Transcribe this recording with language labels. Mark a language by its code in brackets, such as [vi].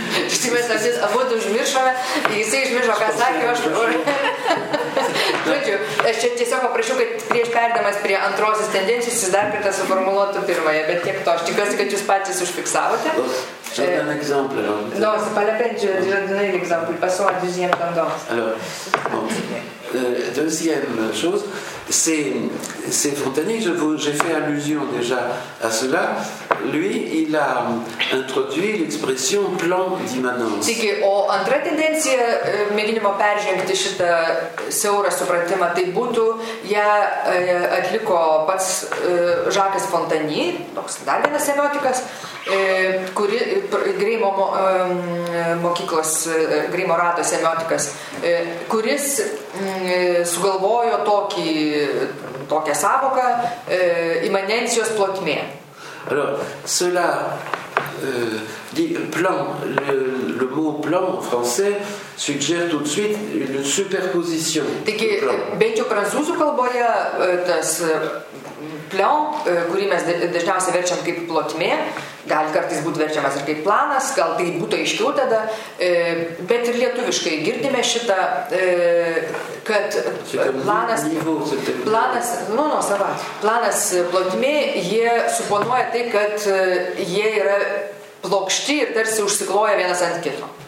[lt] Je t'imais ça, c'est à vous de jmiršome, et ici jmiršome, quand ça, que je... Aš čia tiesiog paprašiau, kad prieš perdamas prie antrosios tendencijos, jūs dar kartą suformuluotų pirmąją, bet tiek to, aš tikiuosi, kad jūs patys užfiksavote. [fr] Je donne un exemple. Non, c'est pas la peine, je vais donner un exemple. Passons à la deuxième tendance. Alors, bon. Deuxième chose, c'est Fontané, j'ai fait allusion déjà à cela. Lui, il a introduit l'expression plan d'immanence. [lt] Taigi, o antra tendencija, mėginimo peržengti šitą siaurą supratimą, tai būtų, ją atliko pats Žakas Fontany, toks dar vienas semiotikas, kuri Greimo mokyklos, Greimo rato semiotikas, kuris sugalvojo tokią sąvoką imanencijos plotmė. [fr] Alors, cela dit plan, le mot plan français suggère tout de suite une superposition. [lt] Taigi, bent jau prancūzų kalboje tas plan, kurį mes dažniausiai verčiam kaip plotmė, gal kartais būtų verčiamas ir kaip planas, gal tai būtų aiškiau tada, bet ir lietuviškai girdime šitą, kad planas plotmė, jie suponuoja tai, kad jie yra plokšti ir tarsi užsikloja vienas ant kito.